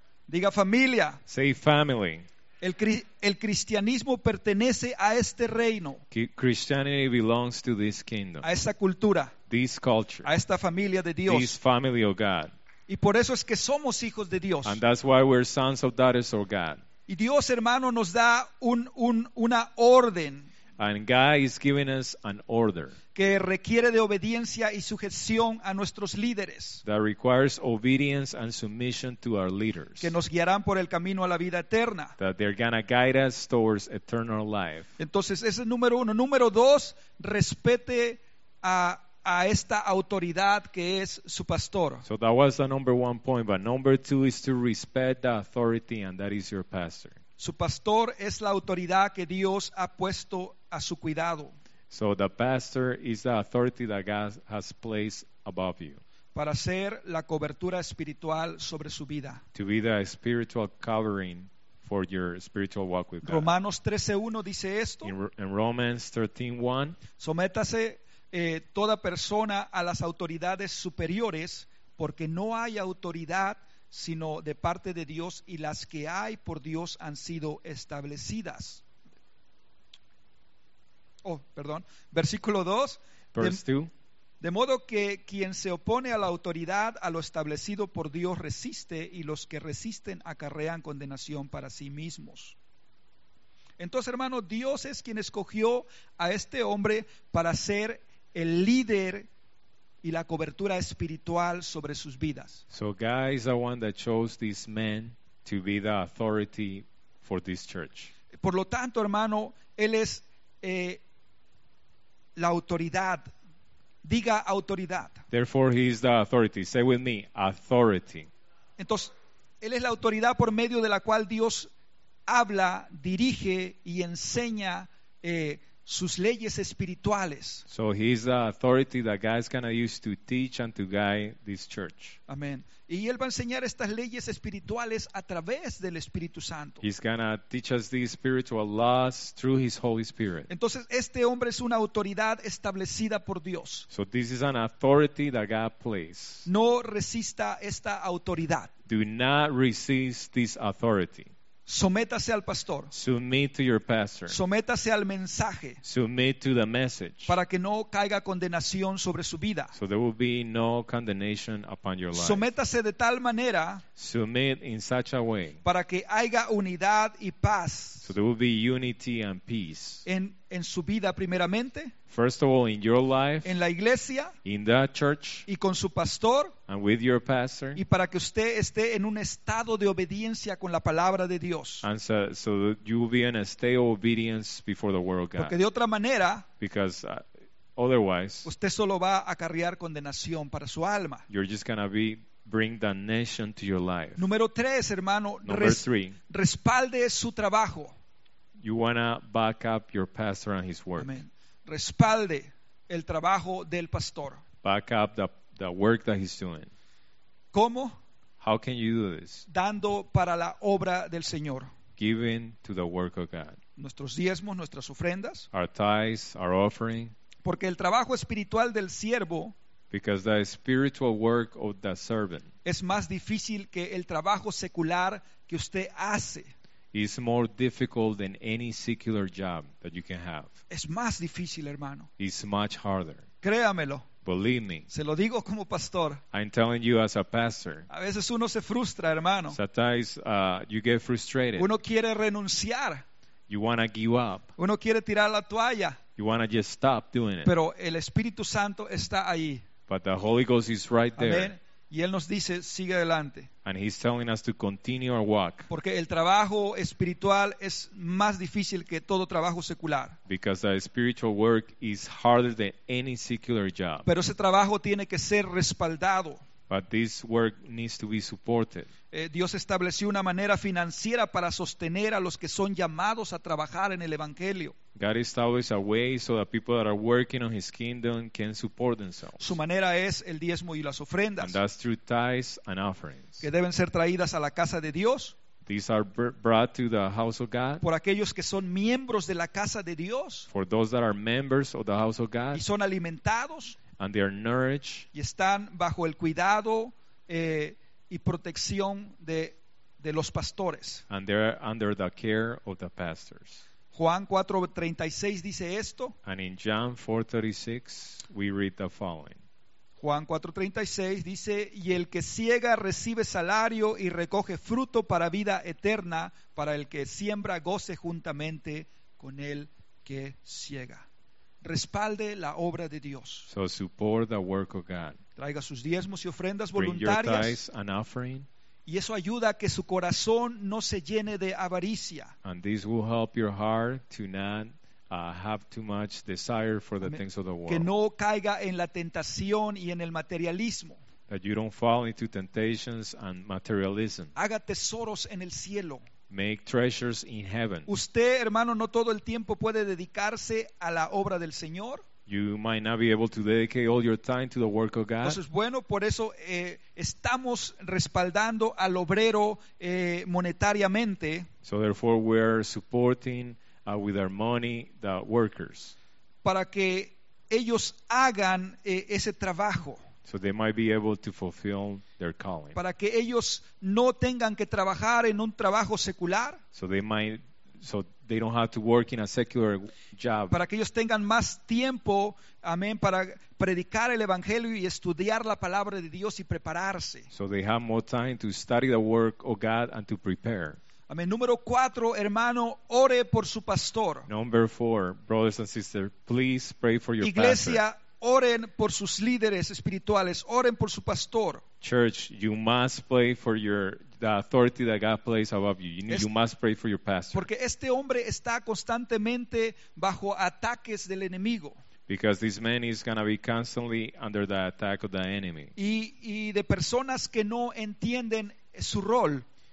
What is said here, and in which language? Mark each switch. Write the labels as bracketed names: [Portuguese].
[Spanish] Diga familia. [English] Say family. [Spanish] El cristianismo pertenece a este reino. [English] Christianity belongs to this kingdom. [Spanish] A esta cultura. [English] This culture. [Spanish] A esta familia de Dios. [English] This family of God. [Spanish] Y por eso es que somos hijos de Dios. [English] And that's why we're sons of daughters of God. [Spanish] Y Dios, hermano, nos da una orden. [English] And God is giving us an order. [Spanish] Que requiere de obediencia y sujeción a nuestros líderes. [English] That requires obedience and submission to our leaders. [Spanish] Que nos guiarán por el camino a la vida eterna. [English] That they're gonna guide us towards eternal life. [Spanish] Entonces, ese es número uno. Número dos, respete a esta autoridad que es su pastor. [English] So that was the number one point, but number two is to respect the authority, and that is your pastor. [Spanish] Su pastor es la autoridad que Dios ha puesto a su cuidado. [English] So the pastor is the authority that God has placed above you. [Spanish] Para ser la cobertura espiritual sobre su vida. [English] To be the spiritual covering for your spiritual walk with God. [Spanish] Romanos 13:1 dice esto. [English] In Romans 13:1, [Spanish] sométase toda persona a las autoridades superiores, porque no hay autoridad sino de parte de Dios, y las que hay por Dios han sido establecidas. Versículo 2. De modo que quien se opone a la autoridad, a lo establecido por Dios, resiste, y los que resisten acarrean condenación para sí mismos. Entonces, hermano, Dios es quien escogió a este hombre para ser el líder y la cobertura espiritual sobre sus vidas. [English] So God is the one that chose this man to be the authority for this church. [Spanish] Por lo tanto, hermano, él es la autoridad. Diga autoridad. [English] Therefore, he is the authority. Say with me, authority. [Spanish] Entonces, él es la autoridad por medio de la cual Dios habla, dirige y enseña sus leyes espirituales. [English] So he is the authority that God is going to use to teach and to guide this church. Amen. [Spanish] Y él va a enseñar estas leyes espirituales a través del Espíritu Santo. [English] He's going to teach us these spiritual laws through his Holy Spirit. [Spanish] Entonces, este hombre es una autoridad establecida por Dios. [English] So this is an authority that God placed. [Spanish] No resista esta autoridad. [English] Do not resist this authority. [Spanish] Sométase al pastor. [English] Submit to your pastor. [Spanish] Sométase al mensaje. [English] Submit to the message. [Spanish] Para que no caiga condenación sobre su vida. [English] So there will be no condemnation upon your life. [Spanish] Sométase de tal manera. [English] Submit in such a way. [Spanish] Para que haya unidad y paz. [English] So there will be unity and peace. [Spanish] En su vida primeramente. [English] First of all, in your life. [Spanish] En la iglesia. [English] In the church. [Spanish] Y con su pastor. [English] And with your pastor. [Spanish] Y para que usted esté en un estado de obediencia con la palabra de Dios. [English] And so that you will be in a state of obedience before the world, God. [Spanish] Porque de otra manera. [English] Because otherwise. [Spanish] Usted solo va a acarrear condenación para su alma. [English] You're just gonna be bring damnation to your life. [Spanish] Número tres, hermano, respalde su trabajo. [English] You wanna back up your pastor and his work. [Spanish] Amen. Respalde el trabajo del pastor. [English] Back up the work that he's doing. [Spanish] ¿Cómo? [English] How can you do this? [Spanish] Dando para la obra del Señor. [English] Giving to the work of God. [Spanish] Nuestros diezmos, nuestras ofrendas. [English] Our tithes, our offering. [Spanish] Porque el trabajo espiritual del siervo. [English] Because the spiritual work of the servant [Spanish] es más difícil que el trabajo secular que usted hace. [English] Is more difficult than any secular job that you can have. [Spanish] Es más difícil, hermano. [English] It's much harder. [Spanish] Créamelo. [English] Believe me. [Spanish] Se lo digo como pastor. [English] I'm telling you as a pastor. [Spanish] A veces uno se frustra, hermano. [English] Sometimes you get frustrated. [Spanish] Uno quiere renunciar. [English] You want to give up. [Spanish] Uno quiere tirar la toalla. [English] You want to just stop doing it. [Spanish] Pero el Espíritu Santo está ahí. [English] But the Holy Ghost is right there. [Spanish] Amen. Y él nos dice, sigue adelante. [English] And he's telling us to continue our walk. [Spanish] Porque el trabajo espiritual es más difícil que todo trabajo secular. [English] Because the spiritual work is harder than any secular job. [Spanish] Pero ese trabajo tiene que ser respaldado. [English] But this work needs to be supported. [Spanish] Dios estableció una manera financiera para sostener a los que son llamados a trabajar en el evangelio. [English] God established a way so that people that are working on his kingdom can support themselves. [Spanish] Su manera es el diezmo y las ofrendas. [English] And that's through tithes and offerings. [Spanish] Que deben ser traídas a la casa de Dios. [English] These are brought to the house of God. [Spanish] Por aquellos que son miembros de la casa de Dios. [English] For those that are members of the house of God. [Spanish] Y son alimentados. [English] And they are nourished. [Spanish] Y están bajo el cuidado y protección de los pastores. [English] And they're under the care of the pastors. [Spanish] Juan 4:36 dice esto. [English] And in John 4:36 we read the following. [Spanish] Juan 4:36 dice, y el que siega recibe salario y recoge fruto para vida eterna, para el que siembra goce juntamente con el que siega. Respalde la obra de Dios. [English] So support the work of God. [Spanish] Traiga sus diezmos y ofrendas voluntarias. [English] Bring your tithes and offering. [Spanish] Y eso ayuda a que su corazón no se llene de avaricia. [English] And this will help your heart to not have too much desire for the things of the world. [Spanish] Que no caiga en la tentación y en el materialismo. [English] That you don't fall into temptations and materialism. [Spanish] Haga tesoros en el cielo. [English] Make treasures in heaven. [Spanish] Usted, hermano, no todo el tiempo puede dedicarse a la obra del Señor. [English] You might not be able to dedicate all your time to the work of God. [Spanish] Entonces, bueno, por eso estamos respaldando al obrero monetariamente. [English] So therefore we're supporting with our money the workers. [Spanish] Para que ellos hagan ese trabajo. [English] So they might be able to fulfill their calling. [Spanish] Para que ellos no tengan que trabajar en un trabajo secular. [English] So they don't have to work in a secular job. [Spanish] Para que ellos tengan más tiempo, amén, para predicar el evangelio y estudiar la palabra de Dios y prepararse. [English] So they have more time to study the work of God and to prepare. [Spanish] Amén. Número cuatro, hermano, ore por su pastor. [English] Number four, brothers and sisters, please pray for your [Spanish] Iglesia, [English] pastor. [Spanish] Oren por sus líderes espirituales. Oren por su pastor. [English] Church, you must pray for the authority that God placed above you. You must pray for your pastor. [Spanish] Porque este hombre está constantemente bajo ataques del enemigo. [English] Because this man is going to be constantly under the attack of the enemy. [Spanish] Y de personas que no entienden su rol.